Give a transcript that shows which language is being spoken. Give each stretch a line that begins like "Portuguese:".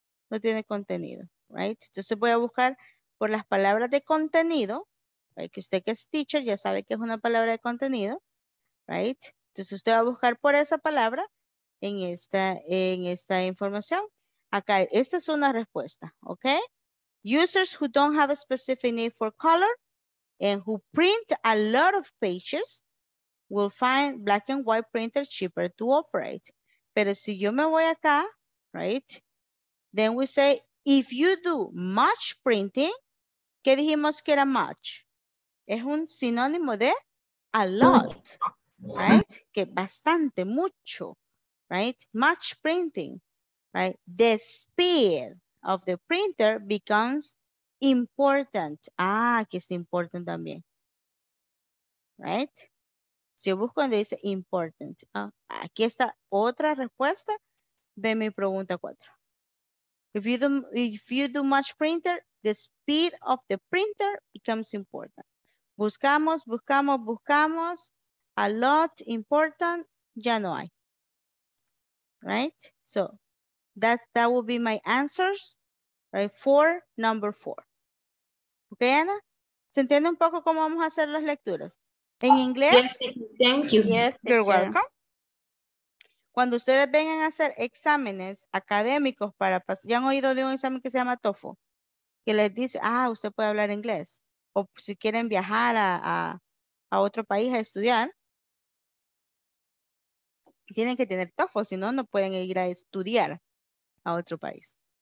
Spanish: No tiene contenido, right? Entonces voy a buscar por las palabras de contenido, right? Que usted que es teacher ya sabe que es una palabra de contenido, right? Entonces usted va a buscar por esa palabra en esta información. Acá, esta es una respuesta, ¿ok?
English: Users who don't have a specific need for color and who print a lot of pages will find black and white printer cheaper to operate.
Spanish: Pero si yo me voy acá, right?
English: Then we say, if you do much printing,
Spanish: ¿qué dijimos que era much? Es un sinónimo de a lot, right? Que bastante, mucho, right? Much printing.
English: Right, the speed of the printer becomes important.
Spanish: Ah, aquí está important también. Right? Si yo busco donde dice important. Ah, aquí está otra respuesta de mi pregunta 4.
English: If you do much printer, the speed of the printer becomes important.
Spanish: Buscamos. A lot important, ya no hay. Right?
English: So, That will be my answers, right, for number 4. Okay, Ana?
Spanish: ¿Se entiende un poco cómo vamos a hacer las lecturas? ¿En inglés?
English: Yes, thank you. Yes, you're welcome.
Spanish: Cuando ustedes vengan a hacer exámenes académicos para pasar, ¿ya han oído de un examen que se llama TOEFL? Que les dice, ah, usted puede hablar inglés. O si quieren viajar a otro país a estudiar, tienen que tener TOEFL, si no, no pueden ir a estudiar a otro país.